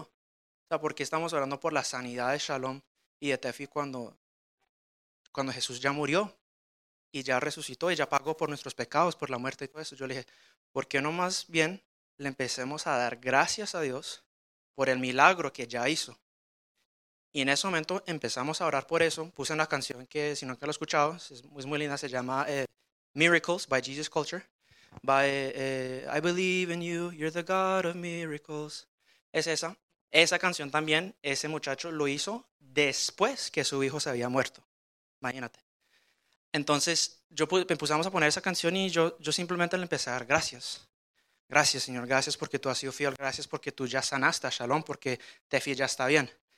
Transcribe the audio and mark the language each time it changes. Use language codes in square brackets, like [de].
[es] O sea, ¿por qué estamos orando por la sanidad de Shalom y de Tefi cuando Jesús ya murió, y ya resucitó, y ya pagó por nuestros pecados, por la muerte y todo eso? Yo le dije, ¿por qué no más bien le empecemos a dar gracias a Dios por el milagro que ya hizo? Y en ese momento empezamos a orar por eso. Puse una canción que, si nunca lo he escuchado, es muy linda, se llama Miracles by Jesus Culture. [en] I believe in you, you're the God of miracles. [es] Es esa. Esa canción también, ese muchacho lo hizo después que su hijo se había muerto. Imagínate. Entonces, me pusimos a poner esa canción y yo simplemente le empecé a dar gracias. Gracias, Señor. Gracias porque tú has sido fiel. Gracias porque tú ya sanaste, Shalom, porque Tefi ya está bien.